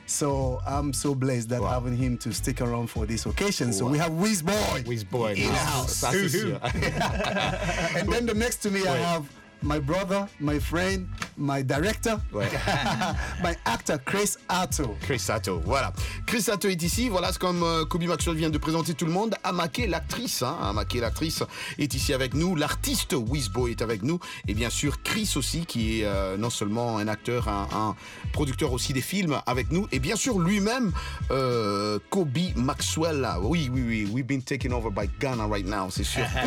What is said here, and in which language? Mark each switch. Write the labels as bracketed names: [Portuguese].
[English] So I'm so blessed that having him to stick around for this occasion. Wow. So we have Wizball in the house. And then the next to me, wait. I have my brother, my friend, my director, my actor, Chris Atto. [French] Chris Atto, voilà. Chris Atto est ici. Voilà, c'est comme Kobe Maxwell vient de présenter tout le monde. Amake, l'actrice, hein. Amake, l'actrice, est ici avec nous. L'artiste Wizbo est avec nous. Et bien sûr, Chris aussi, qui est non seulement un acteur, un producteur aussi des films avec nous. Et bien sûr, lui-même, Kobe Maxwell. Oui. [English] We've been taken over by Ghana right now, [French] c'est sûr.